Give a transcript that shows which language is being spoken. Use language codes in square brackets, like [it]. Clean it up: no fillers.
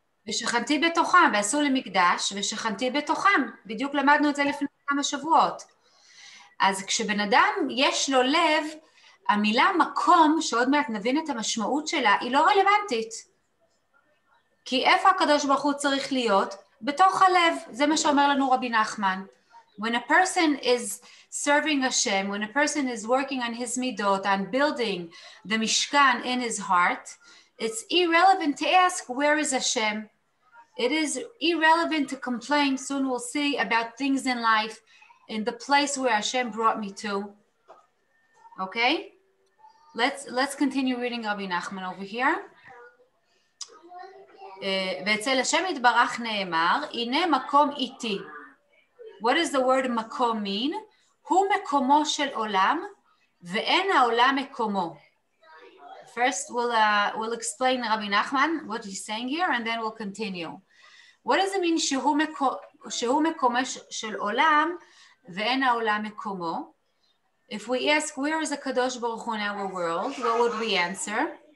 [he] ושכנתי בתוכם, ועשו לי מקדש, ושכנתי בתוכם. בדיוק למדנו את זה לפני כמה שבועות. אז כשבן אדם יש לו לב, המילה מקום, שעוד מעט נבין את המשמעות שלה, היא לא רלוונטית. כי איפה הקדוש ברוך הוא צריך להיות? בתוך הלב. זה מה שאומר לנו רבי נחמן. [en] When a person is serving Hashem, when a person is working on his midot, on building the mishkan in his heart, it's irrelevant to ask, where is Hashem? It is irrelevant to complain, soon we'll see, about things in life, in the place where Hashem brought me to. Okay? Let's continue reading Rabbi Nachman over here. [he] ואצל השם יתברך נאמר, הנה מקום איתי. [en] What does the word [he] מקום mean? הוא מקומו של עולם, ואין העולם מקומו. [en] First, we'll explain Rabbi Nachman what he's saying here, and then we'll continue. What does it mean shehu mekomo shel olam ve'en ha'olam mekomo? If we ask where is the Kadosh Baruch Hu in our world, what would we answer?